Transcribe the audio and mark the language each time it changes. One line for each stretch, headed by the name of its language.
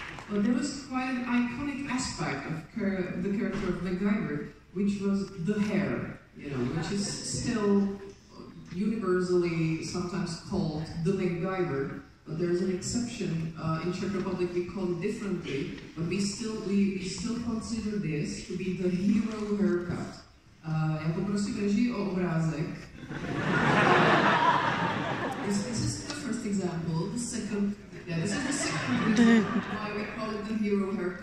English: Well, there was quite an iconic aspect of the character of MacGyver, which was the hair, you know, which is still universally sometimes called the MacGyver. But there's an exception in Czech Republic, we call it differently, but we still consider this to be the hero haircut.
Czech: Já poprosím režii o obrázek.
English: This is the first example. This is the second example why we call it the hero haircut.